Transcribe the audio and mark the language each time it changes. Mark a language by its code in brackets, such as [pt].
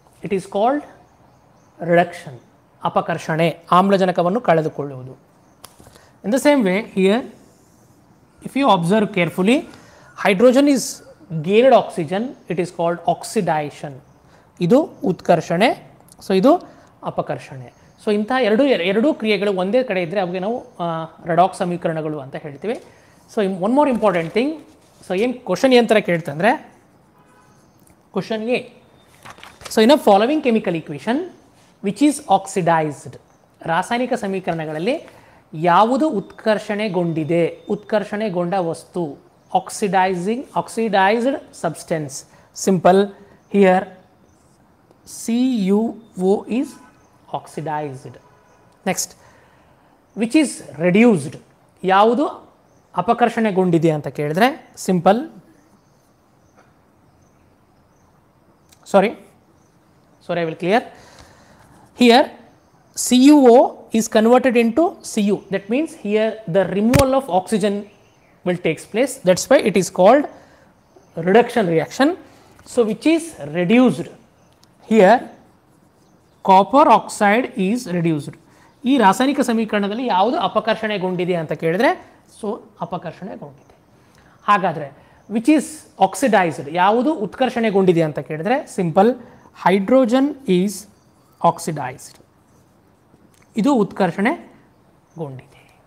[en] It is called reduction, [kn] apakarshane, aamlajanakavannu kaladukolluvudu. [en] In the same way here, if you observe carefully, hydrogen is gained oxygen, it is called oxidation. [kn] ಇದು ಉತ್ಕರ್ಷಣೆ, so ಇದು ಅಪಕರ್ಷಣೆ. So ಇಂಥ ಎರಡೂ ಕ್ರಿಯೆಗಳು ಒಂದೇ ಕಡೆ ಇದ್ದರೆ ಅವಾಗ ನಾವು ರೆಡಾಕ್ಸ್ ಸಮೀಕರಣಗಳು ಅಂತ ಹೇಳ್ತೀವಿ. [en] so one more important thing, [kn] so ಏನು ಕ್ವಶನ್ ಏನು ಥರ ಕೇಳ್ತಂದರೆ, question A, so [en] in a following chemical equation which is oxidised, [kn] ರಾಸಾಯನಿಕ ಸಮೀಕರಣಗಳಲ್ಲಿ ಯಾವುದು ಉತ್ಕರ್ಷಣೆಗೊಂಡಿದೆ, ಉತ್ಕರ್ಷಣೆಗೊಂಡ ವಸ್ತು, [en] Oxidised substance. Simple, here CuO is oxidised. Next, which is reduced, [kn] ಯಾವುದು ಅಪಕರ್ಷಣೆಗೊಂಡಿದೆ ಅಂತ ಕೇಳಿದ್ರೆ, [en] Simple sorry I will clear here CuO is converted into Cu. That means here the removal of oxygen will takes place. That's why it is called reduction reaction. So which is reduced. Here copper oxide is reduced. [kn] ಈ ರಾಸಾಯನಿಕ ಸಮೀಕರಣದಲ್ಲಿ ಯಾವುದು ಅಪಕರ್ಷಣೆಗೊಂಡಿದೆ ಅಂತ ಕೇಳಿದ್ರೆ so ಅಪಕರ್ಷಣೆಗೊಂಡಿದೆ. ಹಾಗಾದರೆ [en] which is oxidised, [kn] ಯಾವುದು ಉತ್ಕರ್ಷಣೆಗೊಂಡಿದೆ ಅಂತ ಕೇಳಿದ್ರೆ [en] simple hydrogen is oxidised, [kn] ಇದು ಉತ್ಕರ್ಷಣೆಗೊಂಡಿದೆ.